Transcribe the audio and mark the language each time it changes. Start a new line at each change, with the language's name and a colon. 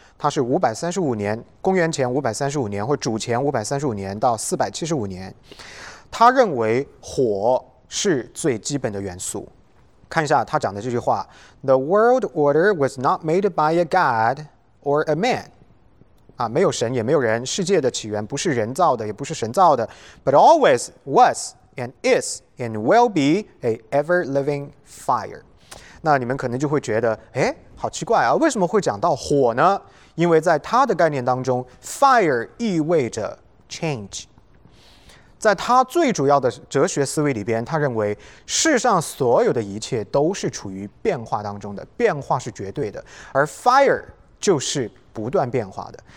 Chinese: 他是535年，公元前535年，或主前535年到475年。他认为火是最基本的元素。看一下他讲的这句话
English: ：The world order was not made by a god or a man.
Chinese: 啊，没有神也没有人，世界的起源不是人造的，也不是神造的。
English: But always was and is and will be a ever living fire.
Chinese: 那你们可能就会觉得，哎，好奇怪啊，为什么会讲到火呢？因为在他的概念当中 ，fire 意味着 change。在他最主要的哲学思维里边，他认为世上所有的一切都是处于变化当中的，变化是绝对的，而 fire 就是不断变化的。